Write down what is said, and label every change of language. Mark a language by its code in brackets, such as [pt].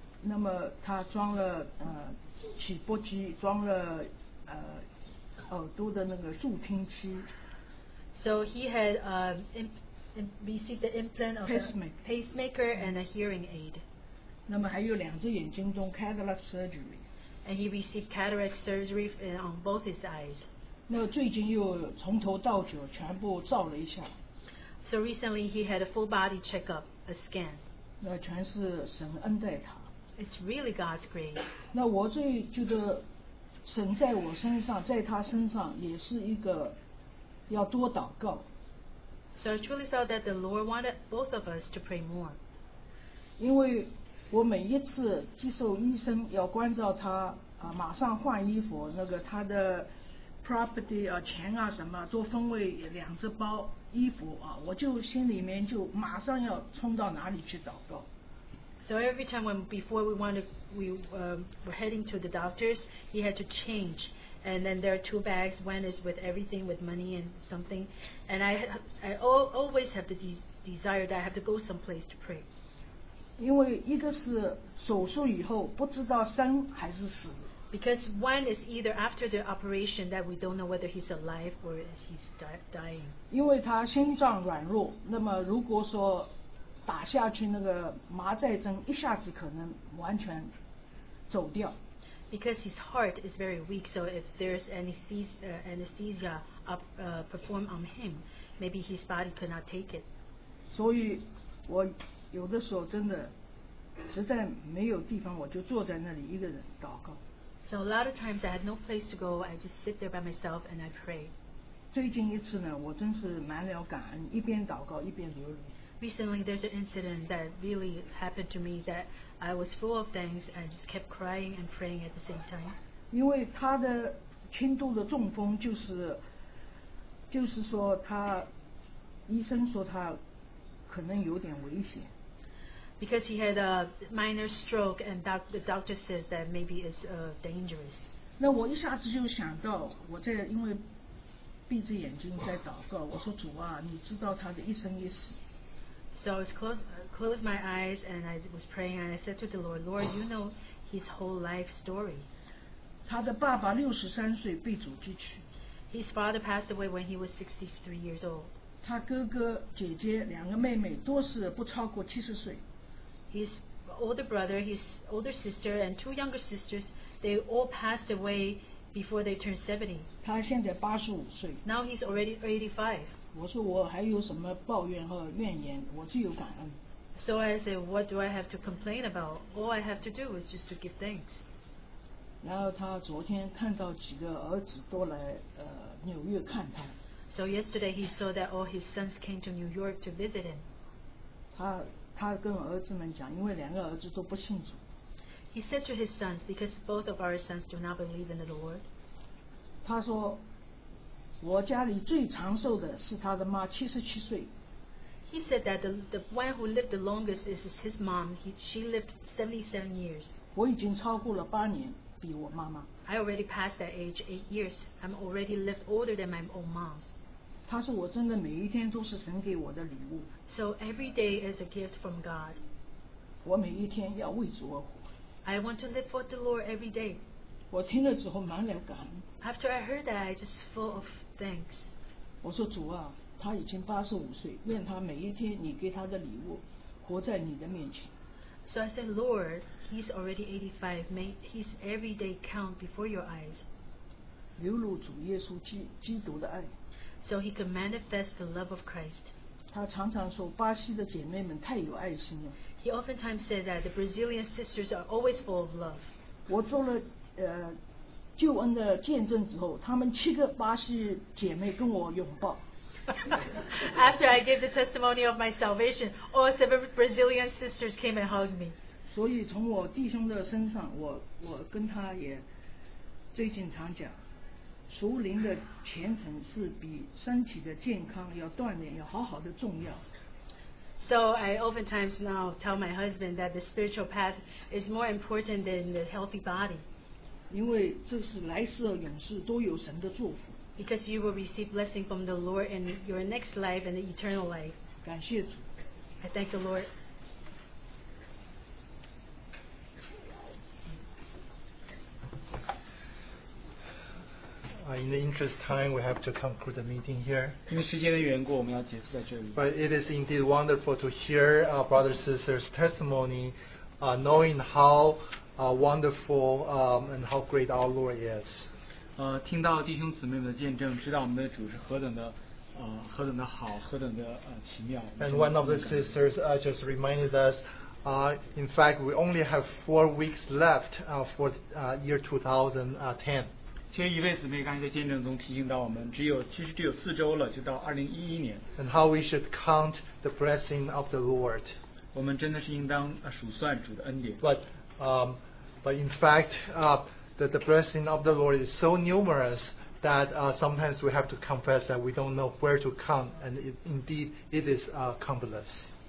[zh] 那么他装了起搏机，装了耳朵的那个助听器。 [en] So he had received the implant of pacemaker and a hearing aid. [zh] 那么还有两只眼睛中 [en] cataract surgery. And he received cataract surgery on both his eyes. [zh] 那最近又从头到脚全部照了一下。 [en] So recently he had a full body checkup, a scan. [zh] 那全是神恩待他。 [en] It's really God's grace. [zh] 那我最觉得神在我身上，在他身上也是一个要多祷告。 [en] So I truly felt that the Lord wanted both of us to pray more. [zh] 因为我每一次接受医生要关照他啊，马上换衣服，那个他的 property 啊、钱啊什么都分为两只包衣服啊，我就心里面就马上要冲到哪里去祷告。 [en] So every time when before we wanted we were heading to the doctors, he had to change, and then there are two bags. One is with everything, with money and something, and I always have the desire that I have to go someplace to pray. [zh] 因为一个是手术以后不知道生还是死。 [en] Because one is either after the operation that we don't know whether he's alive or he's dying. [zh] 因为他心脏软弱，那么如果说打下去那个麻醉针一下子可能完全走掉。 [en] Because his heart is very weak, so if there's anesthesia performed on him, maybe his body could not take it. [zh] 所以我有的时候真的实在没有地方，我就坐在那里一个人祷告。 [en] So a lot of times I have no place to go, I just sit there by myself and I pray. [zh] 最近一次呢，我真是满了感恩，一边祷告一边流泪。 [en] Recently, there's an incident that really happened to me that I was full of thanks and just kept crying and praying at the same time. [zh] 因为他的轻度的中风就是说他医生说他可能有点危险。 [en] Because he had a minor stroke and the doctor says that maybe it's dangerous. [zh] 那我一下子就想到我在因为闭着眼睛在祷告，我说主啊，你知道他的一生一死。 [en] So I was closed my eyes and I was praying and I said to the Lord, Lord, you know his whole life story. [zh] 他的爸爸63岁被主击去。 [en] His father passed away when he was 63 years old. [zh] 他哥哥姐姐两个妹妹都是不超过70岁。 [en] His older brother, his older sister and two younger sisters, they all passed away before they turned 70. [zh] 他现在85岁。 [en] Now he's already 85. [zh] 我说我还有什么抱怨和怨言，我只有感恩。 [en] So I say, what do I have to complain about? All I have to do is just to give thanks. [zh] 然后他昨天看到几个儿子都来纽约看他。 [en] So yesterday he saw that all his sons came to New York to visit him. [zh] 他跟儿子们讲，因为两个儿子都不信主。 [en] He said to his sons, because both of our sons do not believe in the Lord. [zh] 他说我家里最长寿的是他的妈，77岁。 [en] He said that the one who lived the longest is his mom. She lived 77 years. [zh] 我已经超过了8年，比我妈妈。 [en] I already passed that age 8 years. I'm already lived older than my own mom. [zh] 他说我真的每一天都是神给我的礼物。 [en] So every day is a gift from God. [zh] 我每一天要为主而活。 [en] I want to live for the Lord every day. [zh] 我听了之后满了感恩。 [en] After I heard that, I just full of thanks. [zh] 我说主啊，他已经85岁，愿他每一天你给他的礼物，活在你的面前。 [en] So I said, Lord, he's already 85. May his every day count before your eyes. [zh] 流露主耶稣基督的爱。 [en] So he could manifest the love of Christ. [zh] 他常常说巴西的姐妹们太有爱心了。 [en] He oftentimes said that the Brazilian sisters are always full of love. [zh] 我做了救恩的见证之后，他们七个巴西姐妹跟我拥抱。 [en] After I gave the testimony of my salvation, all seven Brazilian sisters came and hugged me. [zh] 所以从我弟兄的身上，我跟他也最近常讲，属灵的虔诚是比身体的健康要锻炼要好好的重要。 [en] So I oftentimes now tell my husband that the spiritual path is more important than the healthy body. [zh] 因为这是来世和永世都有神的祝福。 [en] Because you will receive blessing from the Lord in your next life and the eternal life. [zh] 感谢主。 [en] I thank the Lord. In the interest of time, we have to conclude the meeting here. [zh] 因为时间的缘故, 我们要结束在这里。 [en] But it is indeed wonderful to hear our brothers and sisters' testimony, knowing how wonderful and how great our Lord is. [zh] 听到弟兄姊妹们的见证, 知道我们的主是何等的, 何等的好, 何等的, 奇妙, [en] and one of the sisters just reminded us, in fact, we only have 4 weeks left for year 2010. [zh] 其实一位姊妹刚才在见证中提醒到我们，只有其实只有四周了，就到2011年。 [en] And how we should count the blessing of the Lord. [zh] 我们真的是应当, 数算主的恩典。 [en] But in fact, the blessing of the Lord is so numerous that sometimes we have to confess that we don't know where to count, and it is countless.